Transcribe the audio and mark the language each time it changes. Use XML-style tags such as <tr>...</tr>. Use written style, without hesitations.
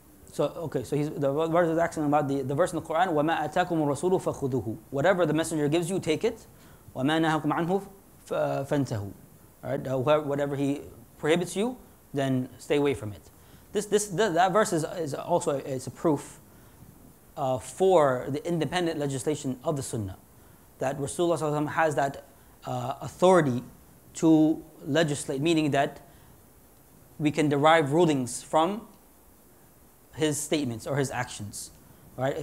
<en>So the verse is asking about the verse in the Quran,</en> <ar>وَمَا أَتَاكُمُ الرَّسُولُ فَخُذُهُ,</ar> <en>whatever the messenger gives you, take it.</en> <ar>وَمَا نَهَاكُمْ عَنْهُ فَانْتَهُ, right?</ar> <en>Whatever he prohibits you, then stay away from it. That verse is also it's a proof for the independent legislation of the Sunnah, that Rasulullah has that authority to legislate, meaning that we can derive rulings from his statements or his actions, right?</en>